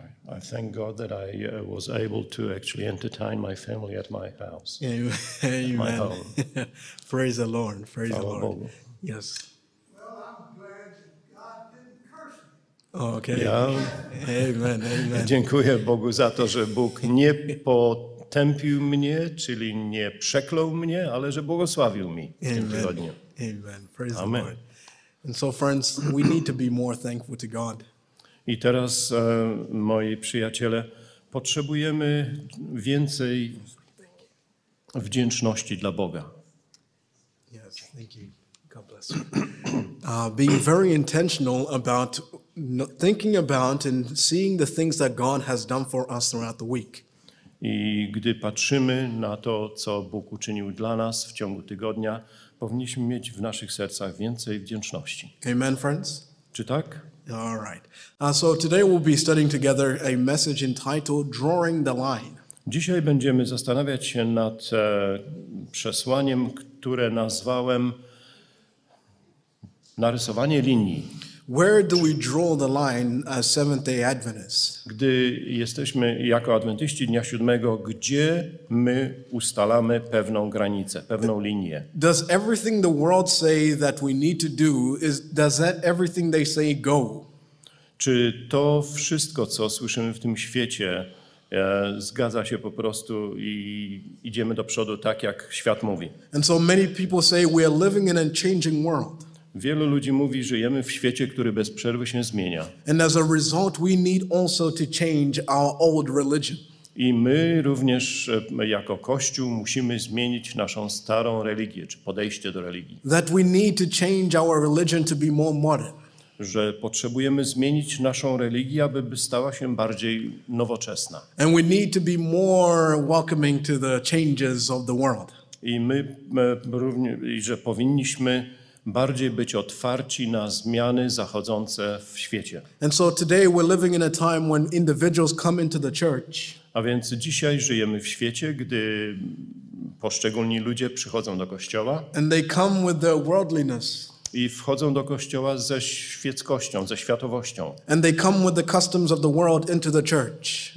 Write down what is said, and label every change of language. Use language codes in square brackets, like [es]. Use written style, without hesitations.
[en] I thank God that I was able to actually entertain my family at my house. Amen. At my home. Praise the Lord. Praise the Lord. [pl] Bogu. [en] Yes. Well, I'm glad that God didn't curse me. Okay. [pl] Ja, [en] amen, amen. [pl] Dziękuję Bogu za to, że Bóg nie potępił mnie, czyli nie przeklął mnie, ale że błogosławił mi w tym tygodniu. [en] Amen. Praise amen. The Lord. And so friends, we need to be more thankful to God. [pl] I teraz, moi przyjaciele, potrzebujemy więcej wdzięczności dla Boga. [en] Yes, thank you. God bless you. Being very intentional about thinking about and seeing the things that God has done for us throughout the week. [pl] I gdy patrzymy na to, co Bóg uczynił dla nas w ciągu tygodnia, powinniśmy mieć w naszych sercach więcej wdzięczności. [en] Amen, friends. [pl] Czy tak? [en] All right. So today we'll be studying together a message entitled Drawing the Line. [pl] Dzisiaj będziemy zastanawiać się nad przesłaniem, które nazwałem narysowanie linii. [en] Where do we draw the line as Seventh-day Adventists? [pl] Gdy jesteśmy jako adwentyści dnia siódmego, gdzie my ustalamy pewną granicę, pewną linię? [en] Does everything the world say that we need to do is does that everything they say go? [pl] Czy to wszystko, co słyszymy w tym świecie, zgadza się po prostu i idziemy do przodu tak, jak świat mówi? [en] And so many people say we are living in a changing world. [pl] Wielu ludzi mówi, że żyjemy w świecie, który bez przerwy się zmienia. [en] And as a result, we need also to change our old religion. [pl] I my również jako Kościół musimy zmienić naszą starą religię, czy podejście do religii. [en] That we need to change our religion to be more modern. [pl] Że potrzebujemy zmienić naszą religię, aby stała się bardziej nowoczesna. [en] And we need to be more welcoming to the changes of the world. [pl] I my również, że powinniśmy bardziej być otwarci na zmiany zachodzące w świecie. [en] And so today we're living in a time when individuals come into the church. [pl] A więc dzisiaj żyjemy w świecie, gdy poszczególni ludzie przychodzą do kościoła. [en] And they come with their worldliness. [pl] I wchodzą do kościoła ze świeckością, ze światowością. [en] And they come with the customs of the world into the church.